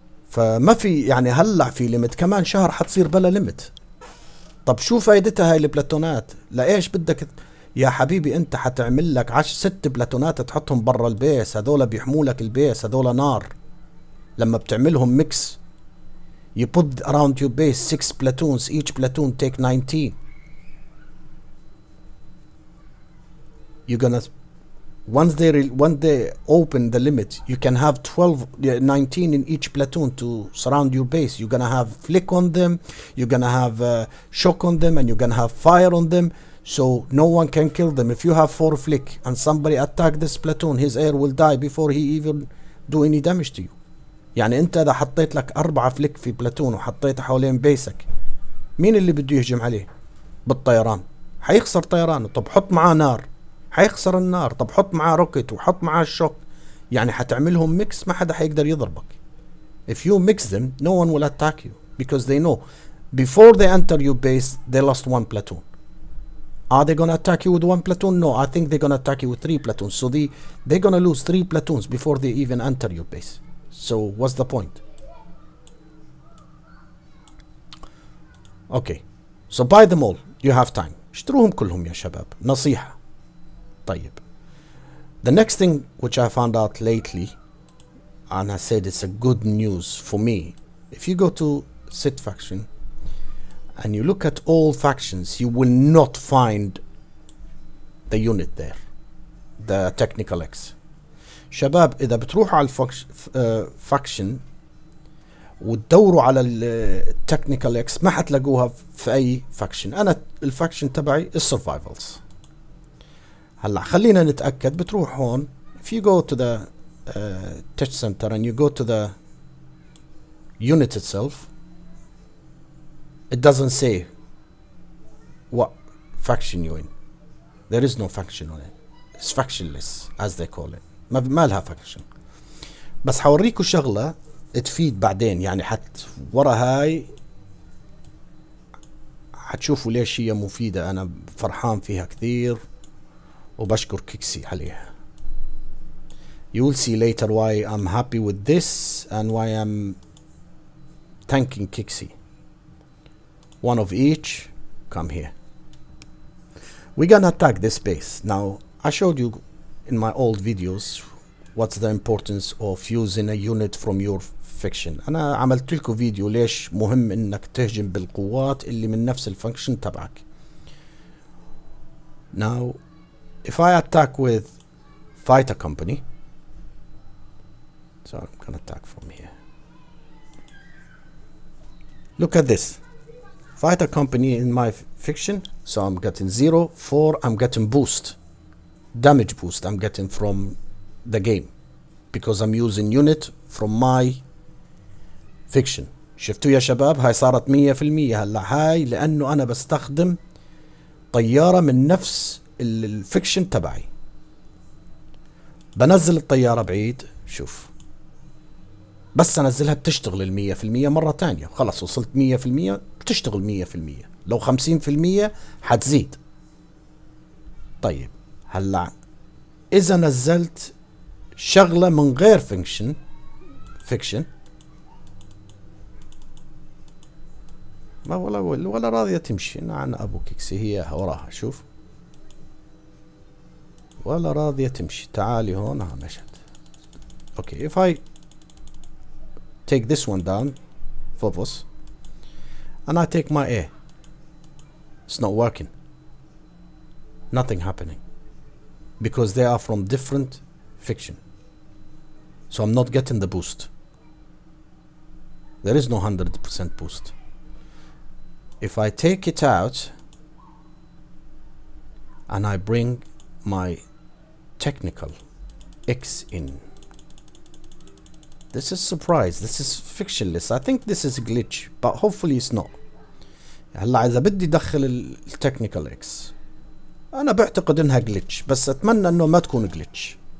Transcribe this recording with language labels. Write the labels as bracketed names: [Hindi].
[Arabic] فما في يعني هلا في ليمت, كمان شهر حتصير بلا ليمت. طب شو فايدتها هاي البلاتونات؟ لايش بدك يا حبيبي؟ انت حتعمل لك 6 بلاتونات تحطهم برا البيس, هذول بيحمولك البيس, هذول نار. لما بتعملهم ميكس [English] you put around your base 6 platoons, each platoon take 19, you're gonna once they open the limit you can have 19 in each platoon to surround your base. You're gonna have flick on them, you're gonna have shock on them, and you're gonna have fire on them, so no one can kill them. If you have 4 flick and somebody attack this platoon, his air will die before he even do any damage to you. [Arabic] يعني انت اذا حطيت لك 4 فليك في بلاتون وحطيته حوالين بيسك, مين اللي بده يهجم عليه؟ بالطيران حيخسر طيرانه. طب حط معاه نار حيخسر النار. طب حط معاه روكت وحط معاه الشوك, يعني حتعملهم ميكس ما حدا حيقدر يضربك. [English] If you mix them no one will attack you because they know before they enter your base they lost one platoon. Are they gonna attack you with one platoon? No, I think they gonna attack you with 3 platoons, so they gonna lose 3 platoons before they even enter your base. So what's the point? Okay, so buy them all, you have time. [Arabic] اشتروهم كلهم يا شباب, نصيحة. طيب, [English] the next thing which I found out lately, and I said it's a good news for me. If you go to Sith faction and you look at all factions, you will not find the unit there, the technical X. [Arabic] شباب اذا بتروحوا على الفاكشن وتدوروا على التكنيكال اكس ما حتلاقوها في اي فاكشن. انا الفاكشن تبعي السرفايفلز. هلا خلينا نتاكد. بتروح هون, [English] if you go to the touch center and you go to the unit itself, it doesn't say what faction you're in. There is no faction on it. It's factionless as they call it. [Arabic] ما لها فاكشن. بس حوريكم شغلة تفيد بعدين, يعني حتى ورا هاي حتشوفوا ليش هي مفيدة. أنا فرحان فيها كثير وبشكر كيكسي عليها. [English] You will see later why I'm happy with this and why I'm thanking Kixi. One of each come here. We're gonna attack this base. Now I showed you in my old videos what's the importance of using a unit from your faction. [Arabic] انا عملت لكم فيديو ليش مهم انك تهجم بالقوات اللي من نفس الفانكشن تبعك. [English] Now if I attack with fighter company, so I'm gonna attack from here. Look at this fighter company in my faction. So I'm getting 0-4, I'm getting boost, damage boost I'm getting from the game because I'm using unit from my fiction. [Arabic] شفتوا يا شباب هاي صارت 100% هلا هاي, لانه انا بستخدم طيارة من نفس الفيكشن تبعي. بنزل الطيارة بعيد, شوف بس انزلها بتشتغل 100% مرة تانية. خلاص وصلت 100% بتشتغل 100%, لو 50% حتزيد. طيب هلا اذا نزلت شغلة من غير فيكشن ما ولا راضية تمشي. عن ابو كيكسي هي وراها, شوف ولا راضية تمشي. تعالي هون, ها مشت. [English] Okay if I take this one down فوبوس and I take my A, it's not working, nothing happening. because they are from different fiction. So I'm not getting the boost. There is no 100% boost. If I take it out and I bring my technical X in, this is surprise, this is fictionless. I think this is a glitch, but hopefully it's not. [Arabic] هلا اذا بدي ادخل التكنيكال اكس انا بعتقد انها جلتش بس اتمنى انه ما تكون جلتش.